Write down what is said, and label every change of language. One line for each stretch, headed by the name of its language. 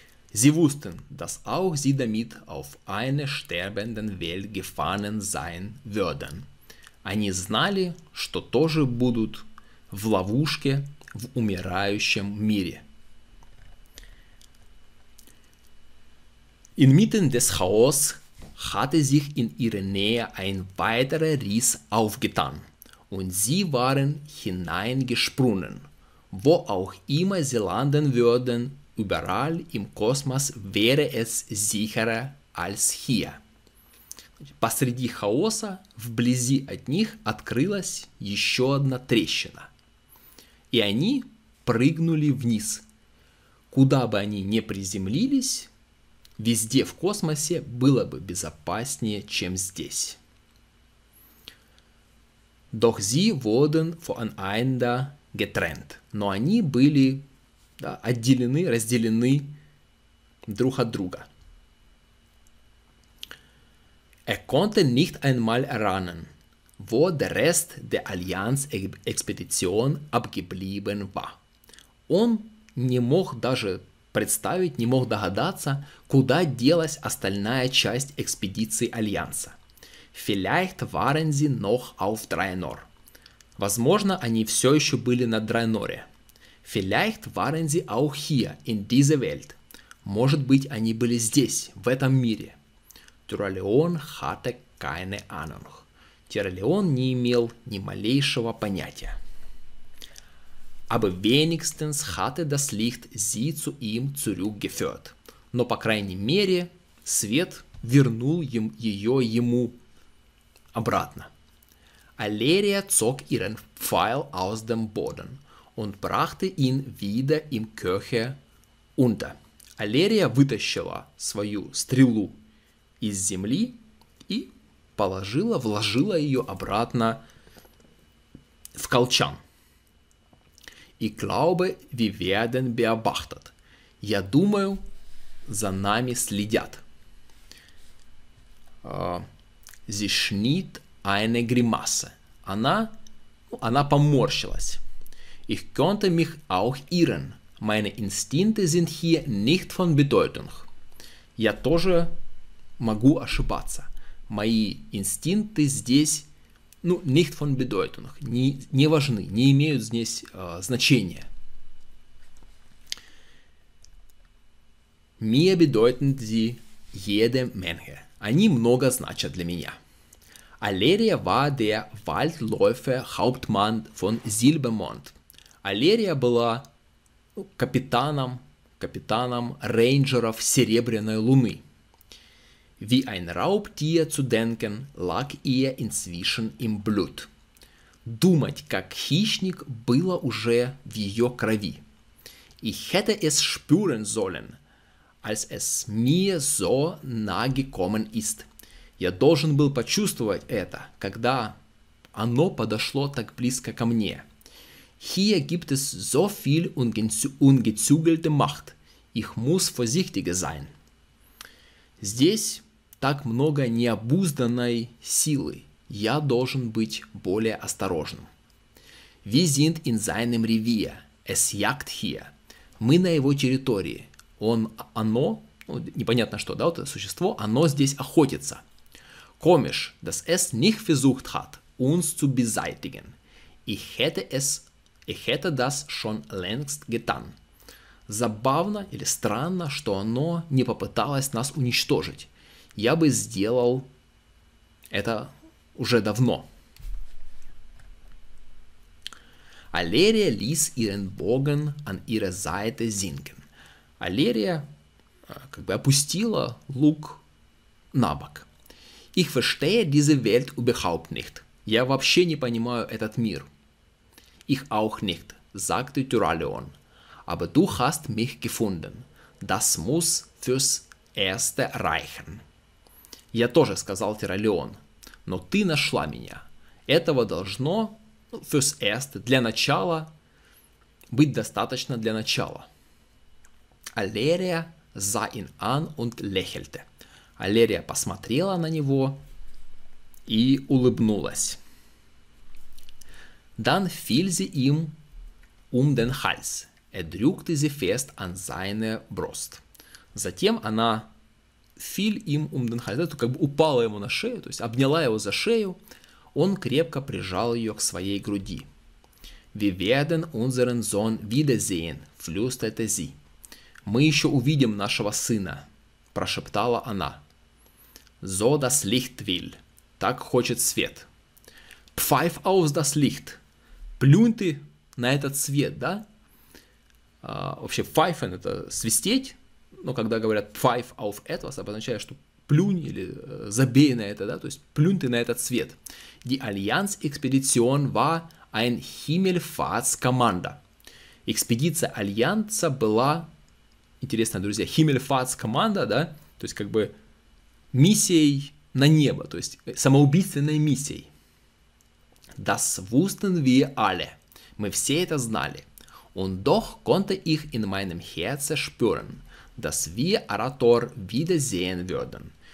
German: Sie wussten, dass auch sie damit auf eine sterbenden Welt gefangen sein würden.
Russian: Они знали, что тоже будут в ловушке в умирающем мире.
German: Inmitten des Chaos hatte sich in ihrer Nähe ein weiterer Riss aufgetan und sie waren hineingesprungen. Wo auch immer sie landen würden, überall im Kosmos wäre es sicherer als hier.
Russian: Посреди хаоса, вблизи от них, открылась еще одна трещина. И они прыгнули вниз. Куда бы они ни приземлились, везде в космосе было бы безопаснее, чем здесь.
German: Doch sie wurden voneinander getrennt.
Russian: Но они были отделены, разделены друг от друга.
German: Konnte nicht einmal erahnen, wo der Rest der Allianz-Expedition abgeblieben war.
Russian: Он не мог даже представить, не мог догадаться, куда делась остальная часть экспедиции Альянса.
German: Vielleicht waren sie noch auf Draenor.
Russian: Возможно, они все еще были на Драйноре.
German: Vielleicht waren sie auch hier, in dieser Welt.
Russian: Может быть, они были здесь, в этом мире.
German: Тиралеон hatte keine Ahnung.
Russian: Тиралеон не имел ни малейшего понятия.
German: Aber wenigstens hatte das Licht sie zu ihm zurückgeführt.
Russian: Но, по крайней мере, свет вернул ее ему обратно.
German: Алерия zog ihren Pfeil aus dem Boden und brachte ihn wieder im Köcher unter.
Russian: Алерия вытащила свою стрелу из земли и положила, вложила ее обратно в колчан.
German: Ich glaube, wir werden beobachtet.
Russian: Я думаю, за нами следят.
German: Sie schnitt eine Grimasse.
Russian: Она поморщилась.
German: Ich könnte mich auch irren. Meine Instinkte sind hier nicht von Bedeutung.
Russian: Я тоже могу ошибаться. Мои инстинкты здесь, ну,
German: nicht von Bedeutung,
Russian: не важны, не имеют здесь значения.
German: Mir bedeuten sie jede Menge.
Russian: Они много значат для меня.
German: Alleria war der Waldläufer Hauptmann von Silbermond.
Russian: Alleria была капитаном рейнджеров Серебряной Луны.
German: Wie ein Raubtier zu denken, lag ihr inzwischen im Blut.
Russian: Думать, как хищник, было уже в ее крови.
German: Ich hätte es spüren sollen, als es mir so nahe gekommen ist.
Russian: Я должен был почувствовать это, когда оно подошло так близко ко мне.
German: Hier gibt es so viel ungezügelte Macht. Ich muss vorsichtiger sein.
Russian: Здесь так много необузданной силы. Я должен быть более осторожным.
German: Wir sind in seinem Revier. Es jagt hier.
Russian: Мы на его территории. Оно, ну, непонятно что, да, вот это существо, оно здесь охотится.
German: Komisch, dass es nicht versucht hat, uns zu beseitigen. Ich hätte das schon längst getan.
Russian: Забавно или странно, что оно не попыталось нас уничтожить. Я бы сделал это уже давно.
German: Alleria ließ ihren Bogen an ihrer Seite sinken.
Russian: Alleria как бы опустила лук на бок.
German: Ich verstehe diese Welt überhaupt nicht.
Russian: Я вообще не понимаю этот мир.
German: Ich auch nicht, sagte Тюралеон. Aber du hast mich gefunden. Das muss fürs Erste reichen.
Russian: Я тоже сказал Тиралеон, но ты нашла меня. Этого должно,
German: fürs erste,
Russian: для начала, быть достаточно для начала.
German: Alleria sah ihn an und lächelte.
Russian: Alleria посмотрела на него и улыбнулась.
German: Dann fiel sie ihm um den Hals. Drückte sie fest an seine Brust.
Russian: Затем она
German: fiel ihm um den Hals,
Russian: то как бы упала ему на шею, то есть обняла его за шею, он крепко прижал ее к своей груди.
German: Wir werden unseren Sohn wiedersehen, flüsterte sie.
Russian: Мы еще увидим нашего сына, прошептала она.
German: So das Licht will,
Russian: так хочет свет.
German: Pfeif aus das Licht,
Russian: плюньте на этот свет, да? Вообще pfeifen это свистеть, но когда говорят
German: pfeif auf etwas,
Russian: обозначает, что плюнь или забей на это, да? То есть плюньте на этот свет.
German: Die Allianz Expedition war ein Himmelfahrtskommando.
Russian: Экспедиция Альянса была, интересно, друзья, Himmelfahrtskommando, да? То есть как бы миссией на небо, то есть самоубийственной миссией.
German: Das wussten wir alle.
Russian: Мы все это знали.
German: Und doch konnte ich in meinem Herzen spüren, dass wir Arator wiedersehen würden.